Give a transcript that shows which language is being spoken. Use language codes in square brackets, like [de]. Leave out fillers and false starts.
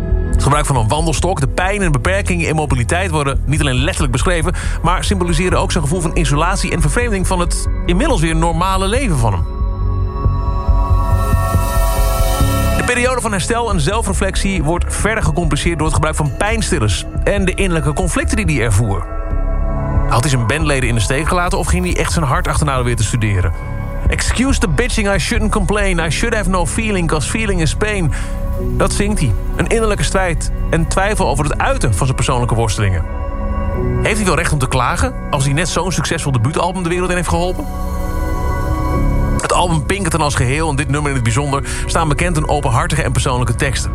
[nl] Het gebruik van een wandelstok, de pijn en beperkingen in mobiliteit worden niet alleen letterlijk beschreven, maar symboliseren ook zijn gevoel van isolatie en vervreemding van het inmiddels weer normale leven van hem. De periode van herstel en zelfreflectie wordt verder gecompliceerd door het gebruik van pijnstillers en de innerlijke conflicten die hij ervoer. Had hij zijn bandleden in de steek gelaten of ging hij echt zijn hart achterna weer te studeren? [en] Excuse the bitching, I shouldn't complain. I should have no feeling, cause feeling is pain. [nl] Dat zingt hij. Een innerlijke strijd en twijfel over het uiten van zijn persoonlijke worstelingen. Heeft hij wel recht om te klagen als hij net zo'n succesvol debuutalbum de wereld in heeft geholpen? Het album Pinkerton als geheel en dit nummer in het bijzonder staan bekend in openhartige en persoonlijke teksten.